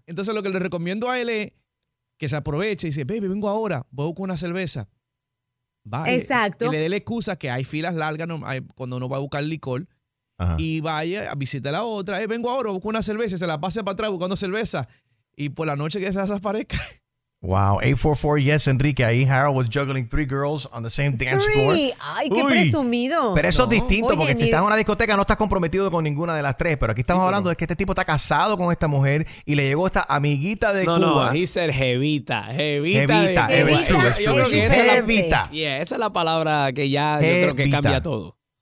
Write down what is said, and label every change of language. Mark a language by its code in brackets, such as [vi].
[es] Entonces lo que le recomiendo a él es que se aproveche y dice, baby, vengo ahora, voy a buscar una cerveza. Vaya. Exacto. Y le dé la excusa que hay filas largas cuando uno va a buscar licor. Ajá. Y vaya, visite a la otra, vengo ahora, busco una cerveza, se la pase para atrás buscando cerveza. Y por la noche que se desaparezca. [en] Wow, 844, yes, Enrique. Ahí Harold was juggling 3 girls on the same dance floor. [es] ¡Ay, qué presumido! Pero eso es distinto, porque si estás en una discoteca no estás comprometido con ninguna de las tres. Pero aquí estamos hablando de que este tipo está casado con esta mujer y le llegó esta amiguita de Cuba. [en] No, he said jevita. [es] Jevita, jevita. Yeah, esa es la palabra que ya yo creo que cambia todo.